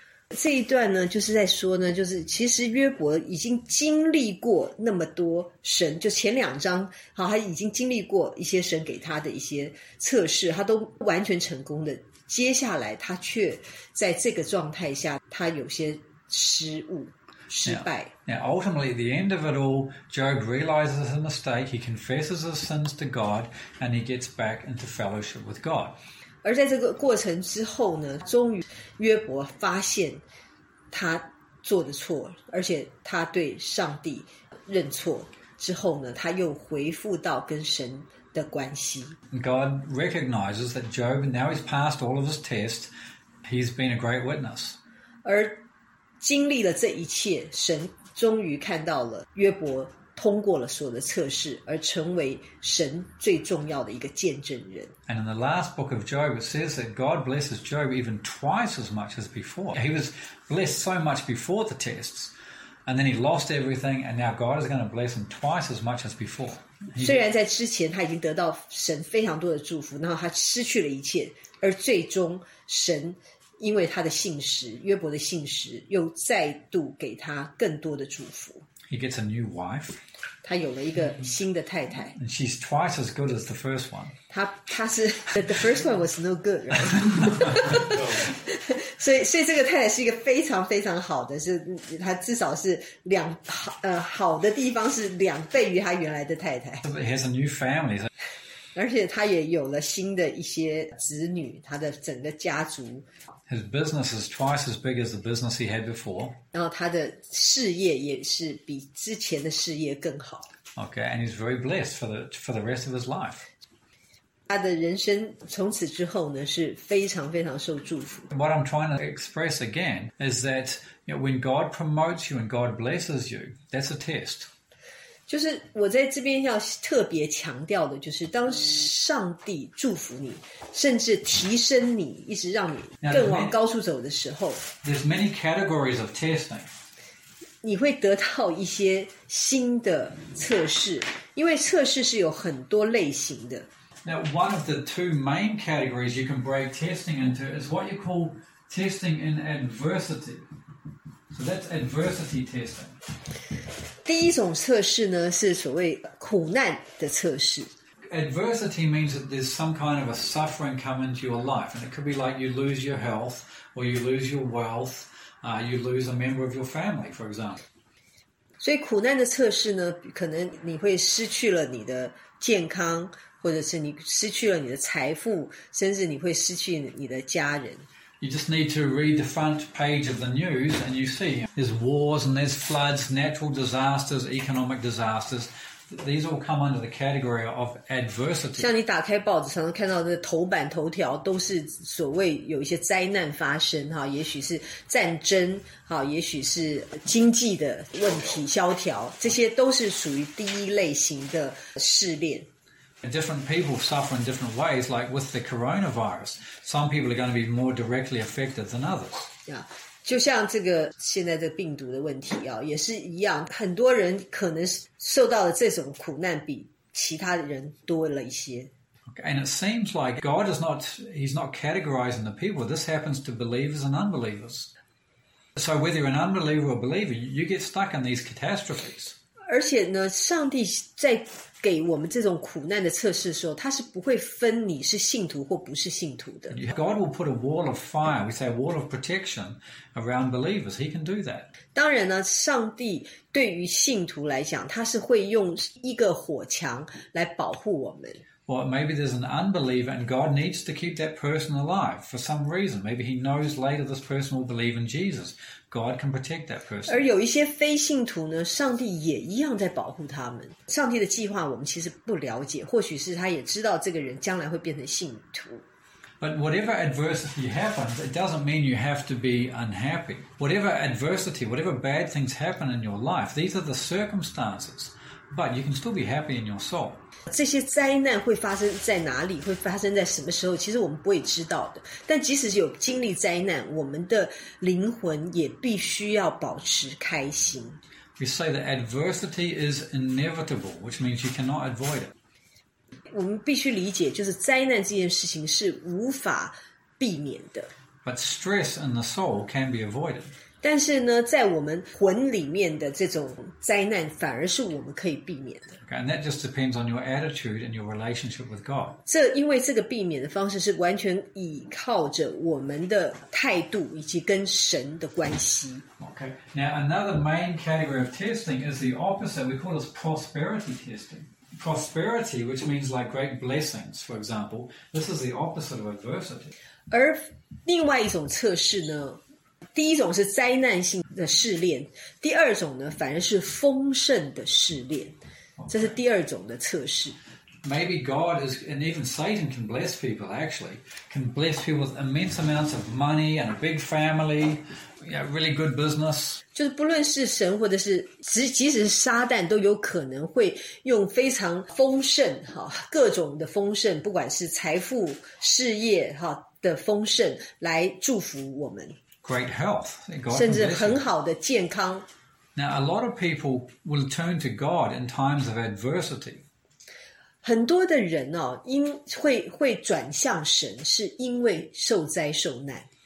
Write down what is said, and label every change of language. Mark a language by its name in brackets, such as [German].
[Chinese] 这一段呢，就是在说呢，就是其实约伯已经经历过那么多神，就前两章，好，他已经经历过一些神给他的一些测试，他都完全成功的。接下来他却在这个状态下他有些失误失败。 [English] Now, ultimately, at the end of it all, Job realizes his mistake, he confesses his sins to God, and he gets back into fellowship with God. [Chinese] 而在这个过程之后呢，终于约伯发现他做的错，而且他对上帝认错之后呢，他又回复到跟神的关系。 [English] God recognizes that Job, now he's passed all of his tests, he's been a great witness. [Chinese] 而经历了这一切，神终于看到了约伯通过了所有的测试，而成为神最重要的一个见证人。 [English] And in the last book of Job, it says that God blesses Job even twice as much as before. He was blessed so much before the tests. And then he lost everything, and now God is going to bless him twice as much as before. [Chinese] 虽然在之前他已经得到神非常多的祝福，然后他失去了一切，而最终神因为他的信实，约伯的信实，又再度给他更多的祝福。 [English] He gets a new wife. [Chinese] 他有了一个新的太太。 [English] And she's twice as good as the first one. [Chinese] 他是 [English] the first one was no good, right? So this [Chinese] 太太是一个非常非常好的，是他至少是两好的地方是两倍于他原来的太太。 [English] He has a new family. [Chinese] 而且他也有了新的一些子女，他的整个家族。 [English] His business is twice as big as the business he had before. [Chinese] 然后他的事业也是比之前的事业更好。 [English] Okay, and he's very blessed for the rest of his life. [Chinese] 他的人生从此之后呢，是非常非常受祝福。 [English] What I'm trying to express again is that, you know, when God promotes you and God blesses you, that's a test. [Chinese] 就是我在这边要特别强调的，就是当上帝祝福你，甚至提升你，一直让你更往高处走的时候， [English] there's many categories of testing. [Chinese] 你会得到一些新的测试，因为测试是有很多类型的。 [English] Now, one of the two main categories you can break testing into is what you call testing in adversity. So that's adversity testing. [Chinese] 第一种测试呢，是所谓苦难的测试。 [English] Adversity means that there's some kind of a suffering come into your life. And it could be like you lose your health, or you lose your wealth, you lose a member of your family, for example. [Chinese] 所以苦难的测试呢，可能你会失去了你的健康，或者是你失去了你的财富，甚至你会失去你的家人。 [English] You just need to read the front page of the news, and you see there's wars and there's floods, natural disasters, economic disasters. These all come under the category of adversity. [Chinese] 像你打开报纸，常常看到的头版头条都是所谓有一些灾难发生，哈，也许是战争，哈，也许是经济的问题萧条，这些都是属于第一类型的试炼。 [English] Different people suffer in different ways, like with the coronavirus. Some people are going to be more directly affected than others. [Chinese] Yeah, 就像这个现在的病毒的问题啊，也是一样，很多人可能受到的这种苦难比其他人多了一些。 [English] Okay, and it seems like God is not, he's not categorizing the people. This happens to believers and unbelievers. So whether you're an unbeliever or believer, you get stuck in these catastrophes. [Chinese] 而且呢，上帝在给我们这种苦难的测试的时候，他是不会分你是信徒或不是信徒的。 [English] God will put a wall of fire, we say a wall of protection around believers. He can do that. [Chinese] 当然呢，上帝对于信徒来讲，他是会用一个火墙来保护我们。 [English] Well, maybe there's an unbeliever and God needs to keep that person alive for some reason. Maybe he knows later this person will believe in Jesus. God can protect that person. [Chinese] 而有一些非信徒呢，上帝也一样在保护他们。上帝的计划我们其实不了解，或许是他也知道这个人将来会变成信徒。 [English] But whatever adversity happens, it doesn't mean you have to be unhappy. Whatever adversity, whatever bad things happen in your life, these are the circumstances. But you can still be happy in your soul. [Chinese] 这些灾难会发生在哪里，会发生在什么时候，其实我们不会知道的。但即使有经历灾难，我们的灵魂也必须要保持开心。 [English] We say that adversity is inevitable, which means you cannot avoid it. [Chinese] 我们必须理解，就是灾难这件事情是无法避免的。 [English] But stress in the soul can be avoided. [Chinese] 但是呢，在我们魂里面的这种灾难，反而是我们可以避免的。 [English] Okay, and that just depends on your attitude and your relationship with God. [Chinese] 这因为这个避免的方式是完全依靠着我们的态度以及跟神的关系。 [English] Okay, now another main category of testing is the opposite. We call this prosperity testing. Prosperity, which means like great blessings, for example, this is the opposite of adversity. [Chinese] 而另外一种测试呢？第一种是灾难性的试炼，第二种呢，反而是丰盛的试炼，这是第二种的测试。 [English] Okay. Maybe God is, and even Satan can bless people. Actually, can bless people with immense amounts of money and a big family, yeah, really good business. [Chinese] 就是不论是神或者是即使是撒旦，都有可能会用非常丰盛哈，各种的丰盛，不管是财富、事业哈的丰盛，来祝福我们。 [English] Great health, God [Chinese] 甚至很好的健康。 [English] Now, a lot of people will turn to God in times of adversity. [Chinese] 很多的人哦，会转向神，是因为受灾受难。